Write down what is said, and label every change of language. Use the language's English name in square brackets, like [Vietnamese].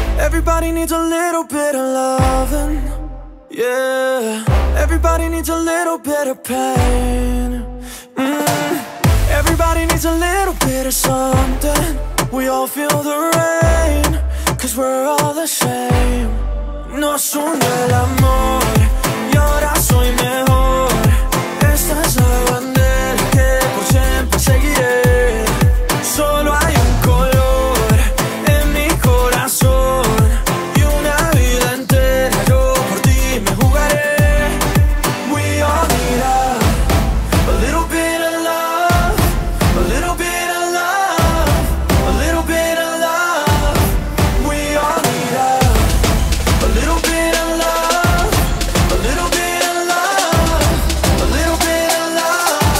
[English] Everybody needs a little bit of loving. Yeah. Everybody needs a little bit of pain. Everybody needs a little bit of something. We all feel the rain, 'cause we're all the same. [Spanish] No son del amor, y ahora soy mejor. Esta es la bandera que por siempre seguiré. Solo hay un color en mi corazón, y una vida entera yo por ti me jugaré. [English] We all need a little bit of love, a little bit of love, a little bit of love. We all need a little bit of love, a little bit of love, a little bit of love.